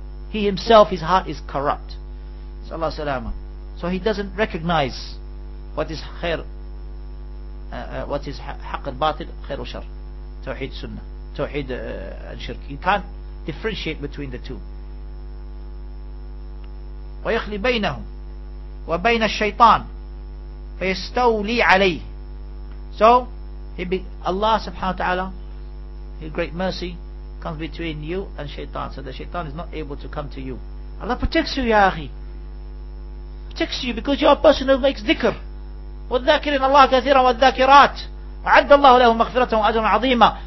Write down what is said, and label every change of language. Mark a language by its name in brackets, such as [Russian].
[English] He himself, his heart is corrupt. Sallallahu alayhi wa sallam. So he doesn't recognize what is khair, what is haqq al-batil, khair al-shar, tawheed sunnah, tawheed al-shirk. He can't differentiate between the two. [Arabic] ويخلي بينه وبين الشيطان فيستولي عليه. [English] So Allah subhanahu wa ta'ala, His great mercy comes between you and shaitan, so the shaitan is not able to come to you. Allah protects you, ya akhi, protects you because you are a person who makes dhikr. [Arabic] وَالذَّاكِرِينَ اللَّهَ كَثِيرًا وَالذَّاكِرَاتِ وَعَدَّ اللَّهُ لَهُ مَغْفِرَةً وَأَجْرًا عَظِيمًا.